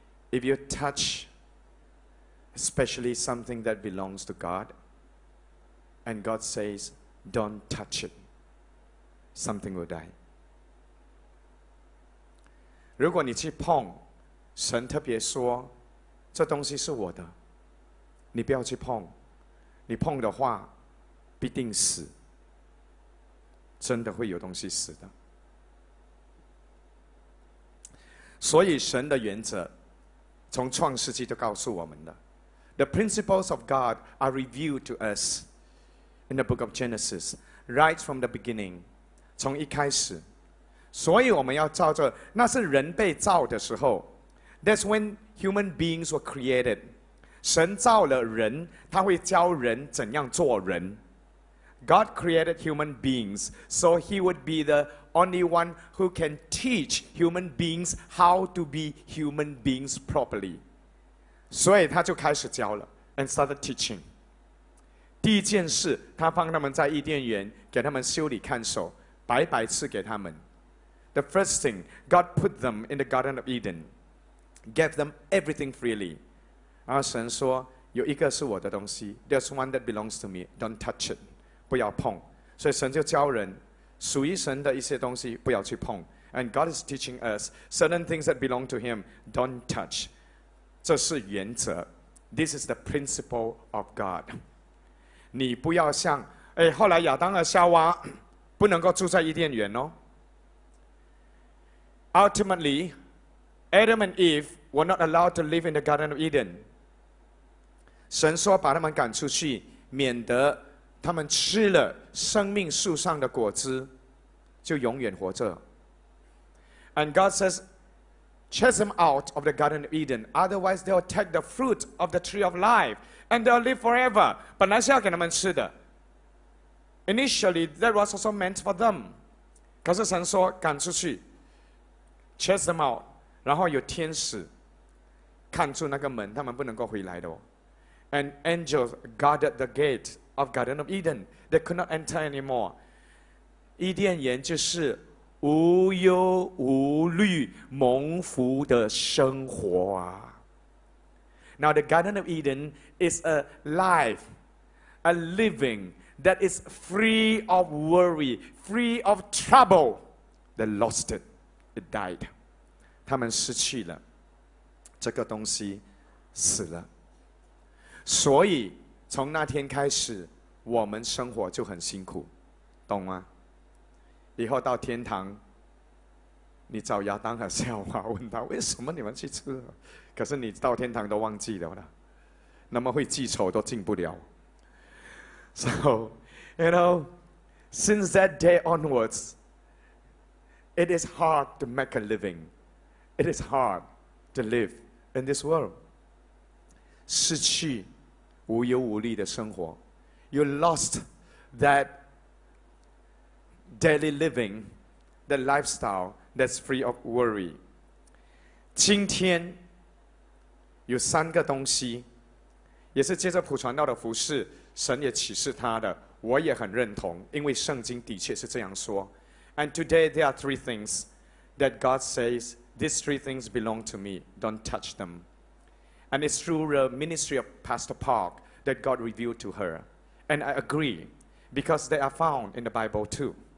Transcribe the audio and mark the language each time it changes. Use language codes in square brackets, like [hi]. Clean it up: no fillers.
[en] If you touch, especially something that belongs to God, and God says, don't touch it, something will die. [zh] 如果你去碰，神特别说，这东西是我的，你不要去碰。你碰的话必定死，真的会有东西死的。所以神的原则从创世纪都告诉我们的。 [en] The principles of God are revealed to us in the book of Genesis right from the beginning, [zh] 从一开始。所以我们要照着，那是人被造的时候， [en] That's when human beings were created. [zh] 神造了人，他会教人怎样做人。 [en] God created human beings, so he would be the only one who can teach human beings how to be human beings properly. [zh] 所以他就开始教了 [en] and started teaching. [zh] 第一件事，他放他们在伊甸园，给他们修理看守，白白赐给他们。 [en] The first thing, God put them in the Garden of Eden, gave them everything freely. [zh] 然后神说，有一个是我的东西， [en] There's one that belongs to me, don't touch it, [zh] 不要碰。所以神就教人，属于神的一些东西不要去碰。 [en] And God is teaching us, certain things that belong to him, don't touch. [zh] 这是原则， [en] This is the principle of God. [zh] 你不要像，后来亚当和夏娃不能够住在伊甸园哦。 [en] Ultimately, Adam and Eve were not allowed to live in the Garden of Eden. [zh] 神说把他们赶出去，免得他们吃了生命树上的果子就永远活着。 [en] And God says, chase them out of the Garden of Eden, otherwise they'll take the fruit of the tree of life and they'll live forever. [zh] 本来是要给他们吃的， [en] Initially that was also meant for them. [zh] 可是神说赶出去， [en] chase them out, [zh] 然后有天使看住那个门，他们不能够回来的哦。 [en] And angels guarded the gate of Garden of Eden. They could not enter anymore. 伊甸园就是无忧无虑蒙福的生活啊。 Now the Garden of Eden is a life, a living that is free of worry, free of trouble. They lost it. It died. [zh] 他们失去了这个东西，死了。所以从那天开始，我们生活就很辛苦，懂吗？以后到天堂，你找亚当和夏娃问他，为什么你们去吃了？可是你到天堂都忘记了，那么会记仇都进不了。 [en] So, you know, since that day onwards, it is hard to make a living. It is hard to live in this world. [zh] 失去无忧无虑的生活， [en] You lost that daily living, that lifestyle that's free of worry. [zh] 今天有三个东西，也是借着普传道的服事，神也启示他的，我也很认同，因为圣经的确是这样说。 [en] And today there are three things that God says, these three things belong to me, don't touch them. And it's through the ministry of Pastor ParkThat God revealed to her. And I agree, because they are found in the Bible too.